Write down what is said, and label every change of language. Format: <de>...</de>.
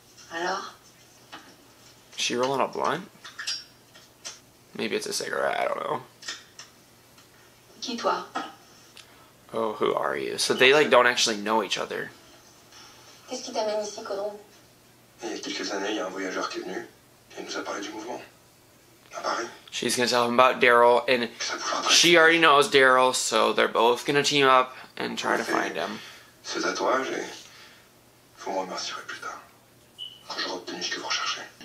<en>Hello? Is she rolling a blunt? Maybe it's a cigarette, I don't know. Oh, who are you? So they, like, don't actually know each other.</en> <fr>Qu'est-ce qui t'amène ici, Caudron? Il y a quelques années, il y a un voyageur qui est venu, et il nous a parlé du mouvement. À Paris.</fr> <en>She's gonna tell him about Daryl, and she already knows Daryl, so they're both gonna team up and try to find him.</en> <fr>Ce tatouage, et vous me remercierez plus tard, quand j'aurai obtenu ce que vous recherchez.</fr>